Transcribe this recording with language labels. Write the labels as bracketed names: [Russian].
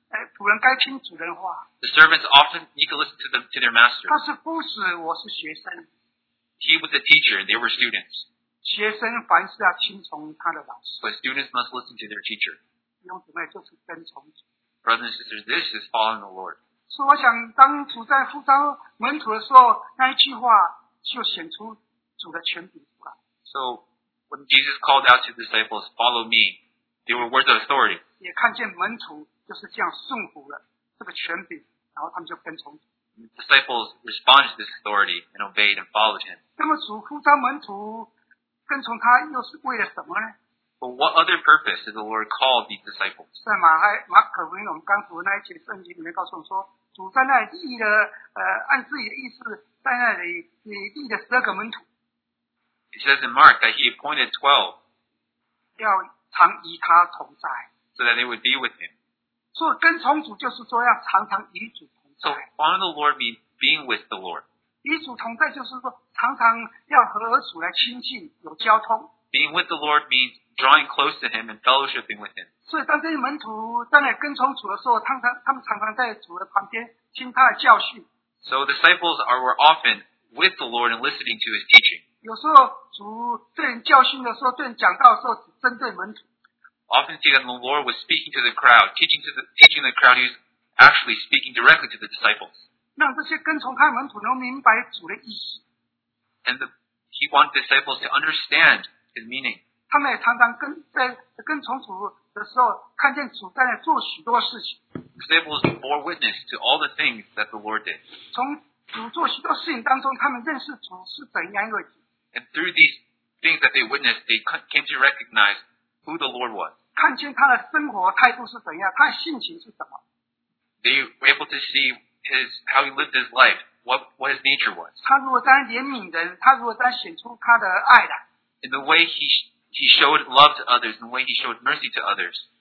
[English] The servants often need to listen to their master. He was a teacher, and they were students. But students must listen to their teacher. Brothers and sisters, this is following the Lord. [Chinese] So, 我想当主在呼召门徒的时候，那一句话就显出主的权柄出来。 [English] So, when Jesus called out to the disciples, "Follow me," they were words of authority. [Chinese] 也看见门徒就是这样顺服了这个权柄，然后他们就跟从。 [English] Disciples responded to this authority and obeyed and followed him. [Chinese] 那么主呼召门徒跟从他又是为了什么呢？ [English] But what other purpose did the Lord call these disciples? [Chinese] 在马可福音，我们刚读的那一节圣经里面告诉我们说，主在那里立了，按自己的意思，在那里立了十二个门徒。 [English] It says in Mark that he appointed 12. [Chinese] 要常与他同在。 [English] So that they would be with him. [Chinese] 所以跟从主就是说要常常与主同在。 [English] So following the Lord means being with the Lord. [Chinese] 与主同在就是说常常要和主来亲近，有交通。 [English] Being with the Lord means drawing close to him and fellowshipping with him. [Chinese] So, 当这些门徒在那跟从主的时候，他们常常在主的旁边听他的教训。 [English] So, disciples were often with the Lord and listening to his teaching. [Chinese] 有时候主对人教训的时候，对人讲道的时候，只针对门徒。 [English] Often see that the Lord was speaking to the crowd, teaching the crowd, he was actually speaking directly to the disciples. [Chinese] 让这些跟从他的门徒能明白主的意思。 [English] And he wanted disciples to understand his meaning. [Chinese] 他们也常常跟从主的时候，看见主在那做许多事情。 [English] Disciples bore witness to all the things that the Lord did. [Chinese] 从主做许多事情当中，他们认识主是怎样一个。 [English] And through these things that they witnessed, they came to recognize who the Lord was. [Chinese] 看见他的生活态度是怎样，他的性情是什么。 [English] They were able to see how he lived his life, what his nature was. [Chinese] 他如果当怜悯人，他如果当显出他的爱来。 [English] In the way he showed love to others and the way he showed mercy to others.